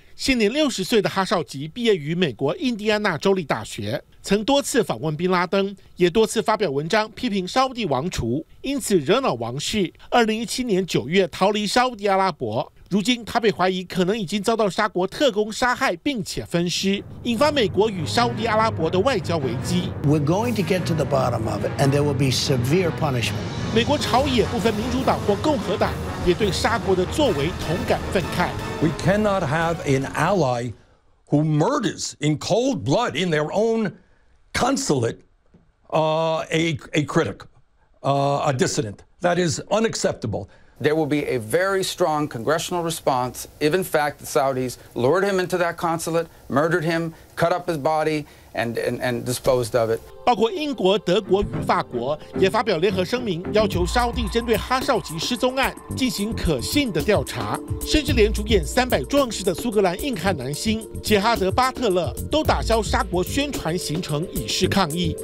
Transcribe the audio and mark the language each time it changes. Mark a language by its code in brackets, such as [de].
[zh] 现年60岁的哈绍吉毕业于美国印第安纳州立大学，曾多次访问宾拉登，也多次发表文章批评沙烏地王储，因此惹恼王室。 2017年9月逃离沙烏地阿拉伯，如今他被怀疑可能已经遭到沙国特工杀害，并且分尸，引发美国与沙烏地阿拉伯的外交危机。 [en] We're going to get to the bottom of it, and there will be severe punishment. [zh] 美国朝野部分民主党或共和党也对沙国的作为同感愤慨。 [en] We cannot have an ally who murders in cold blood in their own consulate, a critic, a dissident. That is unacceptable. There will be a very strong congressional response if, in fact, the Saudis lured him into that consulate, murdered him, cut up his body, and disposed of it. [zh] 包括英国、德国与法国也发表联合声明，要求沙烏地针对哈绍吉失踪案进行可信的调查。甚至连主演《300壮士》的苏格兰硬汉男星杰哈德·巴特勒都打消沙国宣传行程，以示抗议。